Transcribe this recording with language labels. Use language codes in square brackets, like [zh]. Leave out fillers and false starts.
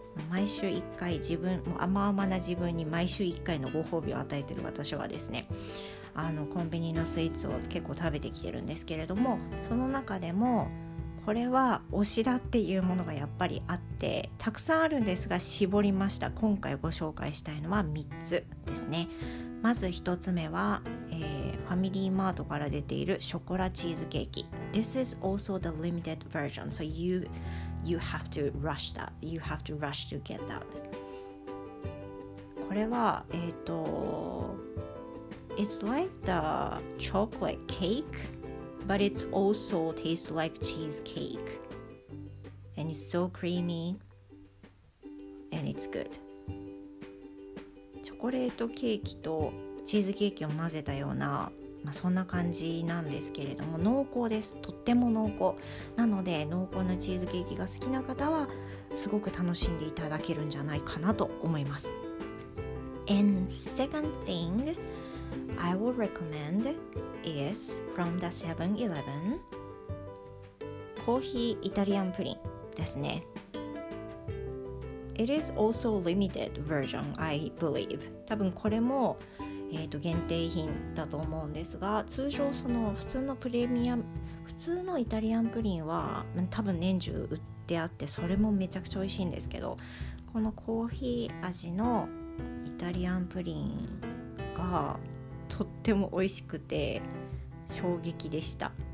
[ja] 毎週一回自分、もう甘々な自分に毎週一回のご褒美を与えている私はですね、コンビニのスイーツを結構食べてきてるんですけれども、その中でもこれは推しだっていうものがやっぱりあって、たくさんあるんですが絞りました。今回ご紹介したいのは3つですね。まず一つ目は、ファミリーマートから出ているショコラチーズケーキ。 [en] This is also the limited version, so you have to rush that. You have to rush to get that. [ja] これは、 [en] It's like the chocolate cake, but it's also tastes like cheesecake. And it's so creamy, and it's good. [ja] チョコレートケーキとチーズケーキを混ぜたような、まあ、そんな感じなんですけれども、濃厚です。とっても濃厚なので、濃厚なチーズケーキが好きな方はすごく楽しんでいただけるんじゃないかなと思います。 [en] And second thing I will recommend is from the 7-Eleven [ja] コーヒーイタリアンプリンですね。 [en] It is also limited version, I believe. [ja] 多分これも、限定品だと思うんですが、通常その普通のプレミアム、普通のイタリアンプリンは多分年中売ってあって、それもめちゃくちゃ美味しいんですけど、このコーヒー味のイタリアンプリンがとっても美味しくて衝撃でした。